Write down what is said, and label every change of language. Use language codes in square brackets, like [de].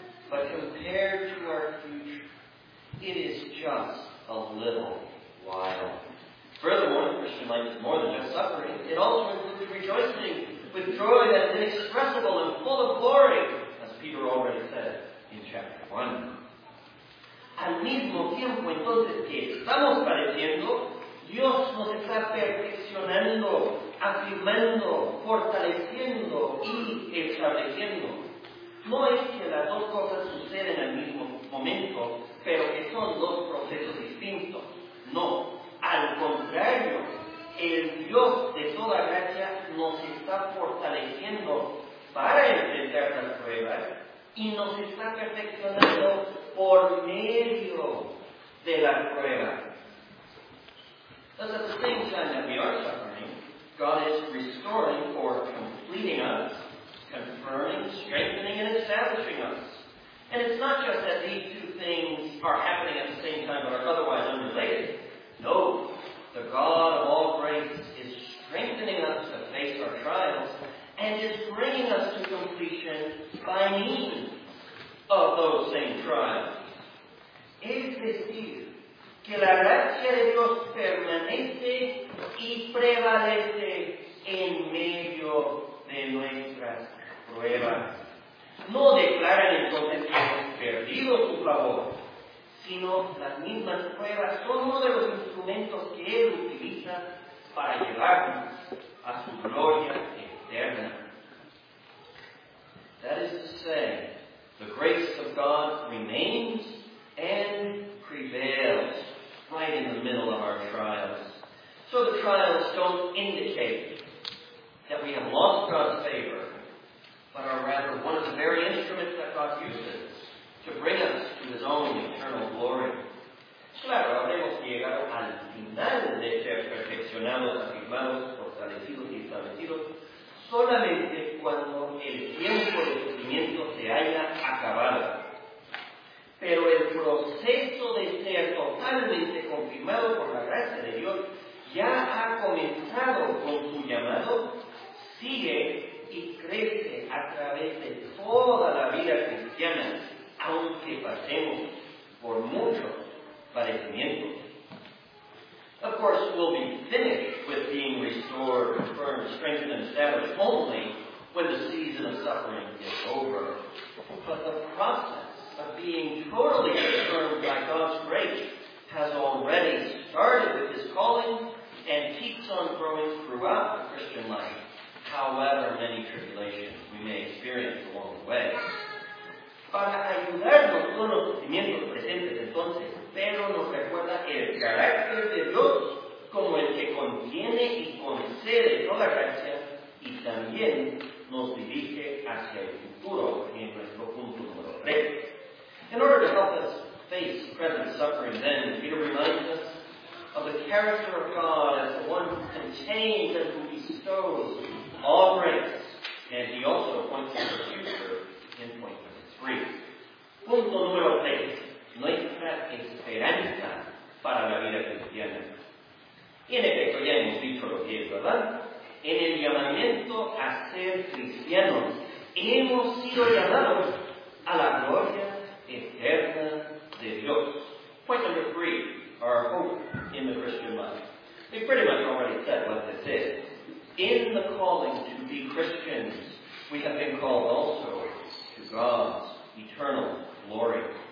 [en] But compared to our future, it is just a little while. Furthermore, Christian life is more than just suffering. It also includes rejoicing with joy that is inexpressible and full of glory, as Peter already said in chapter 1. [es] Al mismo tiempo, entonces, que estamos padeciendo, Dios nos está perfeccionando, afirmando, fortaleciendo y estableciendo. No es que las dos cosas suceden al mismo momento, pero que son dos procesos distintos. No, al contrario, el Dios de toda gracia nos está fortaleciendo para enfrentar las pruebas y nos está perfeccionando por medio de la prueba. [en] Thus, at the same time that we are suffering, God is restoring or completing us, confirming, strengthening, and establishing us. And it's not just that these two things are happening at the same time but are otherwise unrelated. No, the God of all grace is strengthening us to face our trials and is bringing us to completion by means of those same trials. [es] Es decir, que la gracia de Dios permanece y prevalece en medio de nuestras pruebas. No declaran entonces que hemos perdido su favor, sino las mismas pruebas son uno de los instrumentos que Él utiliza para llevarnos a su gloria eterna. [en] That is to say, the grace of God remains and prevails right in the middle of our trials. So the trials don't indicate that we have lost God's favor, but are rather one of the very instruments that God uses to bring us to His own eternal glory. [es] Claro, habremos llegado al final de ser perfeccionados, afirmados, fortalecidos y establecidos solamente cuando el tiempo de sufrimiento se haya acabado. Pero el proceso de ser totalmente confirmado por la gracia de Dios ya ha comenzado con su llamado, sigue y crece a través de toda la vida cristiana, aunque pasemos por muchos padecimientos. [en] Of course, we'll be finished with being restored, confirmed, strengthened, and established only when the season of suffering is over. But the process of being totally confirmed by God's grace has already started with His calling and keeps on growing throughout the Christian life, however many tribulations we may experience along the way. [es] Para ayudarnos con los sufrimientos presentes entonces, pero nos recuerda el carácter de Dios como el que contiene y concede toda gracia y también nos dirige hacia el futuro en nuestro punto número 3. [en] In order to help us face present suffering, then, Peter reminds us of the character of God as the one who contains and who bestows all grace, and he also points to the future in point number 3. [es] Punto número 3. Nuestra esperanza para la vida cristiana. Y en efecto, ya hemos dicho lo que es, ¿verdad? En el llamamiento a ser cristianos, hemos sido llamados a la gloria eterna de Dios. [en] Point number 3, our hope in the Christian life. We pretty much already said what this is. In the calling to be Christians, we have been called also to God's eternal glory.